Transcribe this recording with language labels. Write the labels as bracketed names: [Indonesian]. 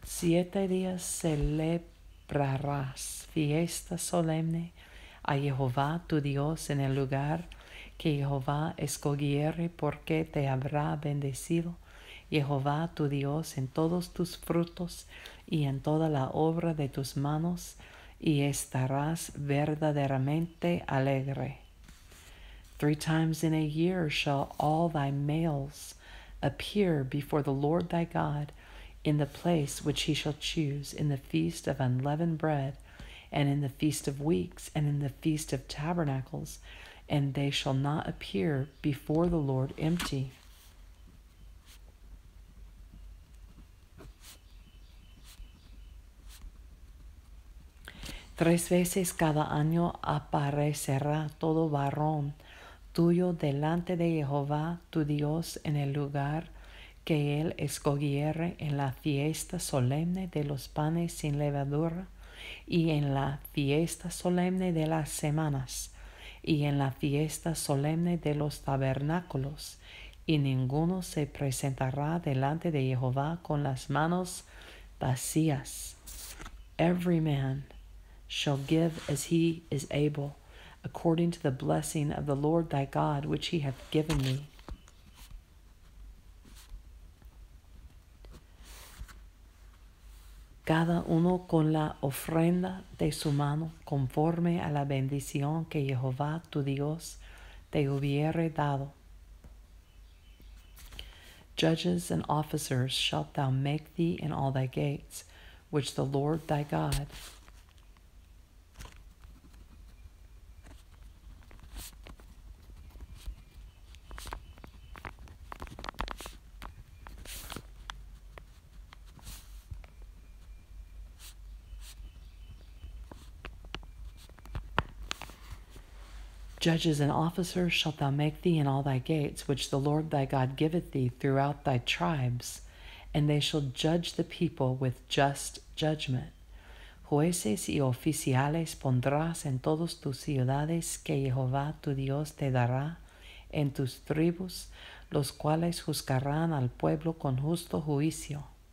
[Spanish] 7 días celebrarás fiesta solemne a Jehová tu Dios en el lugar que Jehová escogiere, porque te habrá bendecido Jehová tu Dios en todos tus frutos y en toda la obra de tus manos, y estarás verdaderamente alegre. [English] 3 times in a year shall all thy males appear before the Lord thy God in the place which he shall choose, in the feast of unleavened bread, and in the feast of weeks, and in the feast of tabernacles, and they shall not appear before the Lord empty. [Spanish] Tres veces cada año aparecerá todo varón tuyo delante de Jehová tu Dios en el lugar que él escogiere, en la fiesta solemne de los panes sin levadura, y en la fiesta solemne de las semanas, y en la fiesta solemne de los tabernáculos, y ninguno se presentará delante de Jehová con las manos vacías. [English] Every man shall give as he is able, according to the blessing of the Lord thy God, which he hath given thee. [Spanish] Cada uno con la ofrenda de su mano, conforme a la bendición que Jehová tu Dios te hubiere dado. [English] Judges and officers shalt thou make thee in all thy gates, which the Lord thy God Judges and officers shalt thou make thee in all thy gates, which the Lord thy God giveth thee throughout thy tribes, and they shall judge the people with just judgment. [Spanish] jueces y oficiales pondrás en todas tus ciudades que Jehová tu Dios te dará, en tus tribus, los cuales juzgarán al pueblo con justo juicio.